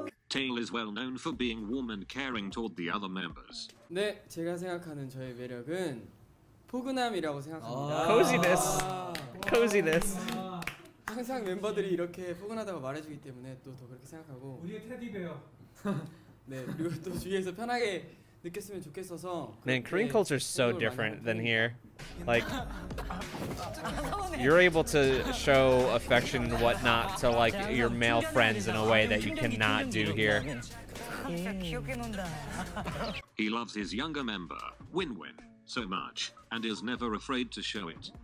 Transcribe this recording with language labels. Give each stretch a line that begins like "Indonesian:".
English: Tail is well known for being warm and caring toward the other members.
Korean: 네, 제가 생각하는 저의 매력은 포근함이라고 생각합니다.
English: Coziness. Coziness.
Korean: 항상 멤버들이 이렇게 포근하다고 말해주기 때문에 또 더 그렇게 생각하고. 우리의 테디베어. 네, 그리고 또 주위에서 편하게 느꼈으면 좋겠어서.
English: Man, Korean culture is so different than here. Like, you're able to show affection and whatnot to like your male friends in a way that you cannot do here. He loves his younger member, Winwin, so much, and is never afraid to show it.